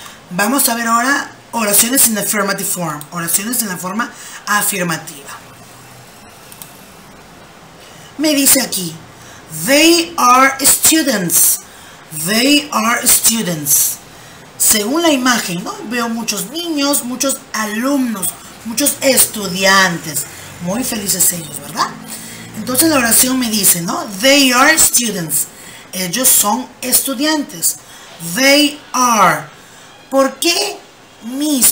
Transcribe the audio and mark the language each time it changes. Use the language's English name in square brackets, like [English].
[Spanish] Vamos a ver ahora oraciones en [English] affirmative form, [Spanish] oraciones en la forma afirmativa. Me dice aquí, [English] they are students, they are students. [Spanish] Según la imagen, ¿no? Veo muchos niños, muchos alumnos, muchos estudiantes. Muy felices ellos, ¿verdad? Entonces la oración me dice, ¿no? [English] They are students. [Spanish] Ellos son estudiantes. [English] They are. [Spanish] ¿Por qué mis?